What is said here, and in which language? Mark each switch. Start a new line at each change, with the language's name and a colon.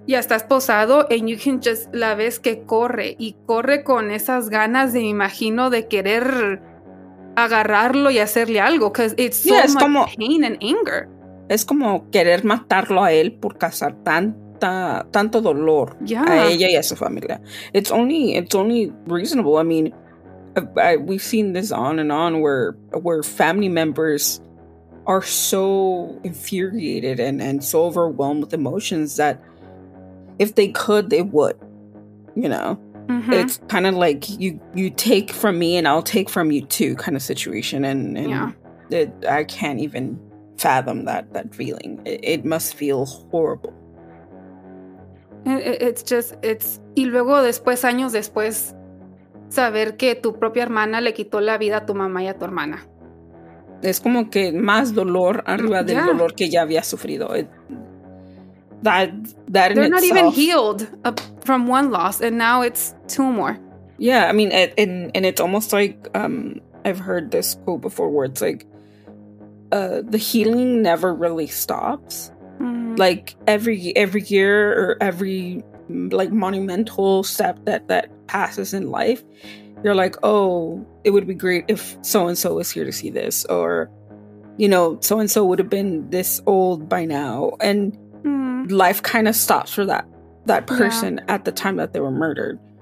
Spanish: Ya está esposado,
English: and you can just...
Spanish: La ves que corre, y corre con esas ganas, me imagino, de querer... agarrarlo y hacerle algo,
English: because it's so much
Spanish: como,
English: pain and anger.
Spanish: Es como querer matarlo a él por causar tanto dolor a ella y a su familia.
English: It's only reasonable. I mean, we've seen this on and on where family members are so infuriated and so overwhelmed with emotions that if they could, they would, you know. Mm-hmm. It's kind of like you take from me and I'll take from you too kind of situation. And yeah. I can't even fathom that feeling. It must feel horrible. It's just,
Spanish: y luego después, años después, saber que tu propia hermana le quitó la vida a tu mamá y a tu hermana. Es como que más dolor arriba del dolor que ya había sufrido.
English: That they're in not itself, even healed from one loss, and now it's 2 more. Yeah, I mean, and it's almost like I've heard this quote before, where it's like the healing never really stops. Mm-hmm. Like every year or every like monumental step that passes in life, you're like, oh, it would be great if so and so was here to see this, or you know, so and so would have been this old by now, and life kind of stops for that person at the time that they were murdered.